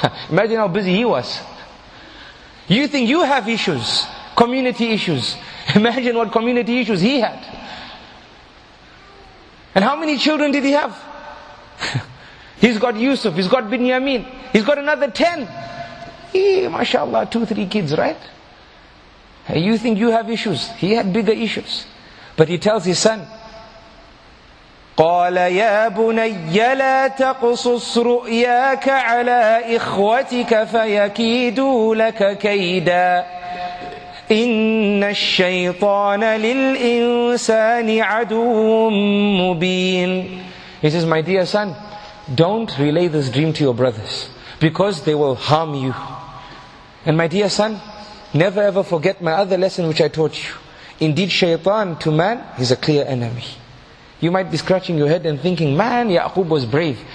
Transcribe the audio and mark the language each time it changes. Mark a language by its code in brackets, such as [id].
[en] Imagine how busy he was. You think you have issues, community issues. Imagine what community issues he had. And how many children did he have? He's got Yusuf, he's got Binyamin, he's got another 10. Mashallah, 2-3 kids, right? Hey, you think you have issues? He had bigger issues. But he tells his son, [ar] قَالَ يَا بُنَيَّ لَا تَقْصُصْ رُؤْيَاكَ عَلَىٰ إِخْوَتِكَ فَيَكِيدُوا لَكَ كَيْدًا إِنَّ الشَّيْطَانَ لِلْإِنسَانِ عَدُوٌ مُبِينٌ. [en] He says, my dear son, don't relay this dream to your brothers, because they will harm you. And my dear son, never ever forget my other lesson which I taught you. Indeed, shaitan to man is a clear enemy. You might be scratching your head and thinking, man, Ya'qub was brave.